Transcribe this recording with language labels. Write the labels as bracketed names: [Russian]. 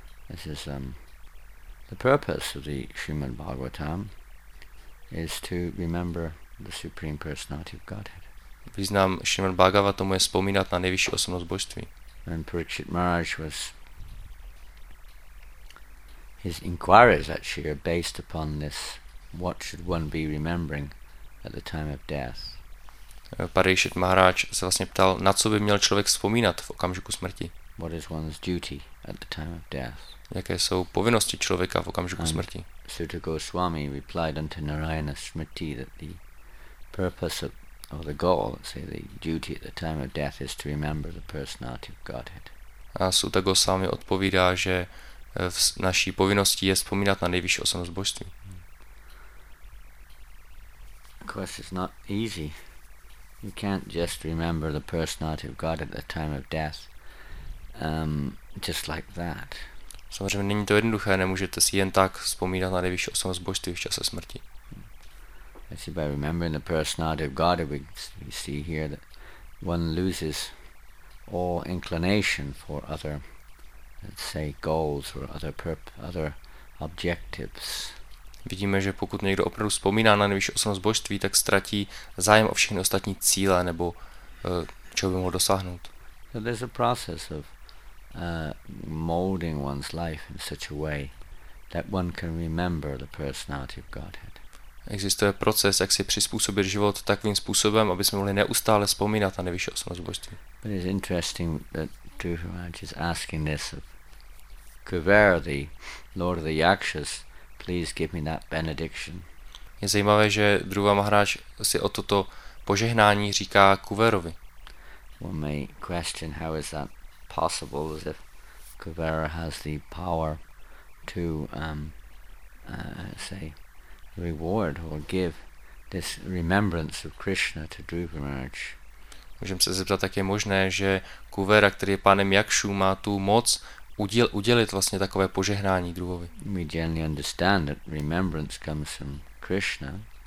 [English] This is the purpose of the Srimad Bhagavatam is to remember the Supreme Personality of Godhead. [Czech] Význam Srimad Bhagavata tomu je vzpomínat na nejvyšší osobnost božství. [English] And Parikshit Maharaj was his inquiries actually are based upon this, what should one be remembering at the time of death. [Czech] Parikshit Maharaj se vlastně ptal, na co by měl člověk vzpomínat v okamžiku smrti. [English] What is one's duty at the time of death? [Czech] Jaké jsou povinnosti člověka v okamžiku smrti? [English] Suta Goswami replied unto Narayana Smriti that the purpose of or the goal, let's say the duty at the time of death is to remember the personality of Godhead. [Czech] A Suta Goswami odpovídá, že naší povinností je vzpomínat na nejvyšší osobnost božství. [English] Of course, it's not easy. You can't just remember the personality of God at the time of death, just like that. [Czech] Samozřejmě není to jednoduché, nemůžete si jen tak vzpomínat na nejvyšší osobnost božství v čase smrti. [English] Actually, by remembering the personality of God, we see here that one loses all inclination for other, let's say, goals or other objectives. [Czech] Vidíme, že pokud někdo opravdu vzpomíná na nejvyšší osobnost božství, tak ztratí zájem o všechny ostatní cíle nebo čeho by mohl dosáhnout. [English] So there's a process of molding one's life in such a way that one can remember the personality of Godhead. [Czech] Existuje proces, jak si přizpůsobit život takovým způsobem, aby jsme mohli neustále vzpomínat na nejvyšší osobnost božství. [English] But it's interesting that Dhruva Maharaj is asking this of Kuvera, the Lord of the Yakshas, please give me that benediction. [Czech] Je zajímavé, že Dhruva Maharaj si o toto požehnání říká Kuverovi. [English] One may question how is that possible, as if Kuvera has the power to say reward or give this remembrance of Krishna to Dhruva Maharaj. [Czech] Můžeme se zeptat, jak je možné, že Kuvera, který je pánem Jakšů, má tu moc udělit vlastně takové požehnání Dhruvovi. [English] We generally understand that remembrance comes from Krishna.